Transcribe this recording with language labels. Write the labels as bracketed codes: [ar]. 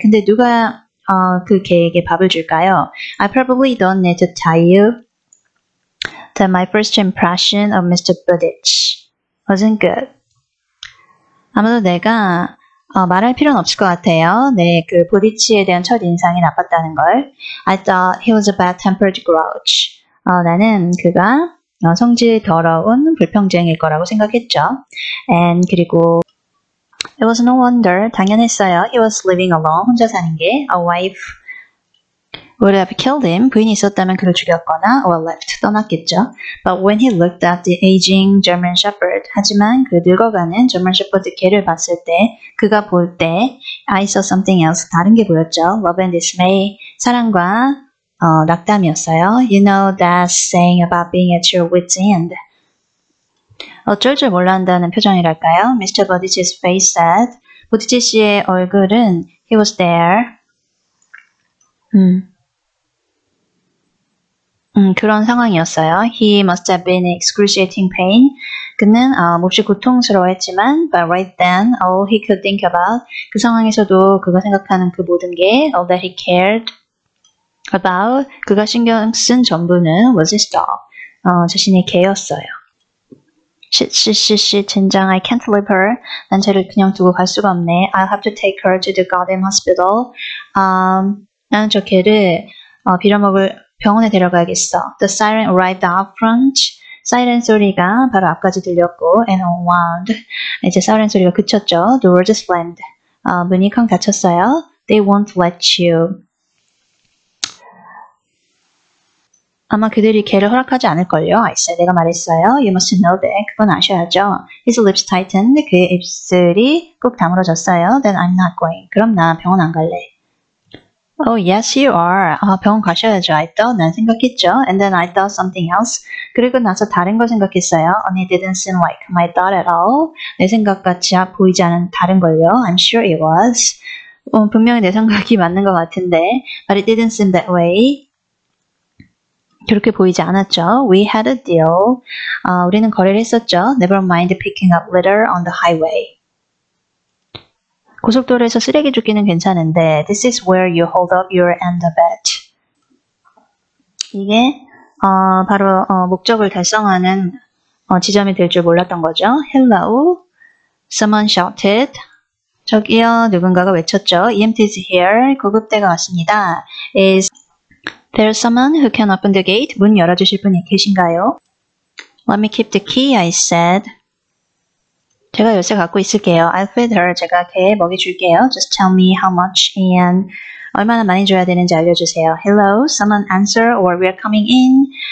[ko] 근데 누가 그 개에게 밥을 줄까요? [en] I probably don't need to tell you that my first impression of Mr. Buttigieg wasn't good [ko] 아마도 내가 말할 필요는 없을 것 같아요. 네, 그 보디치에 대한 첫 인상이 나빴다는 걸. [en] I thought he was a bad-tempered grouch. [ko] 나는 그가 성질 더러운 불평쟁일 거라고 생각했죠. [en] And [ko] 그리고 [en] It was no wonder. [ko] 당연했어요. [en] He was living alone. [ko] 혼자 사는 게. [en] A wife would have killed him. [ko] 부인이 있었다면 그를 죽였거나 [en] or left. [ko] 떠났겠죠. [en] But when he looked at the aging German shepherd. [ko] 하지만 그 늙어가는 German shepherd 개를 봤을 때 그가 볼 때 [en] I saw something else. [ko] 다른 게 보였죠. [en] Love and dismay. [ko] 사랑과 낙담이었어요. [en] You know that saying about being at your wit's end. [ko] 어쩔 줄 몰란다는 표정이랄까요? [en] Mr. Buttigieg's face said. [ko] 부디치 씨의 얼굴은 [en] He was there. [ko] 그런 상황이었어요. [en] He must have been in excruciating pain. [ko] 그는 몹시 고통스러워했지만 [en] But right then, all he could think about [ko] 그 상황에서도 그가 생각하는 그 모든 게 [en] All that he cared about [ko] 그가 신경 쓴 전부는 [en] was his dog. [ko] 자신의 개였어요. [en] Shit, shit, shit, shit, [ko] 젠장, [en] I can't leave her. [ko] 난 쟤를 그냥 두고 갈 수가 없네. [en] I'll have to take her to the goddamn hospital. [ko] 나는 저 개를 빌어먹을 병원에 데려가야겠어. [en] The siren arrived out front. [ko] 사이렌 소리가 바로 앞까지 들렸고 [en] and unwound. [ko] 이제 사이렌 소리가 그쳤죠. [en] Doors slammed. [ko] 문이 쾅 닫혔어요. [en] They won't let you. [ko] 아마 그들이 개를 허락하지 않을걸요. [en] I said, [ko] 내가 말했어요. [en] You must know that. [ko] 그건 아셔야죠. [en] His lips tightened. [ko] 그의 입술이 꼭 다물어졌어요. [en] Then I'm not going. [ko] 그럼 나 병원 안 갈래. [en] Oh, yes, you are. [ko] 병원 가셔야죠. [en] I thought, [ko] 난 생각했죠. [en] And then I thought something else. [ko] 그리고 나서 다른 걸 생각했어요. [en] And it didn't seem like my thought at all. [ko] 내 생각같이 보이지 않은 다른 걸요. [en] I'm sure it was. [ko] 분명히 내 생각이 맞는 것 같은데. [en] But it didn't seem that way. [ko] 그렇게 보이지 않았죠. [en] We had a deal. [ko] 우리는 거래를 했었죠. [en] Never mind picking up litter on the highway. [ko] 고속도로에서 쓰레기 줍기는 괜찮은데 [en] This is where you hold up your end of it. [ko] 이게 바로 목적을 달성하는 지점이 될 줄 몰랐던 거죠. [en] Hello. Someone shouted. [ko] 저기요. 누군가가 외쳤죠. [en] EMT is here. [ko] 구급대가 왔습니다. [en] Is there someone who can open the gate? [ko] 문 열어주실 분이 계신가요? [en] Let me keep the key, I said. [ko] 제가 열쇠 갖고 있을게요. [en] I'll feed her. [ko] 제가 개 먹이 줄게요. [en] Just tell me how much and [ko] 얼마나 많이 줘야 되는지 알려주세요. [en] Hello, someone answer or we're coming in.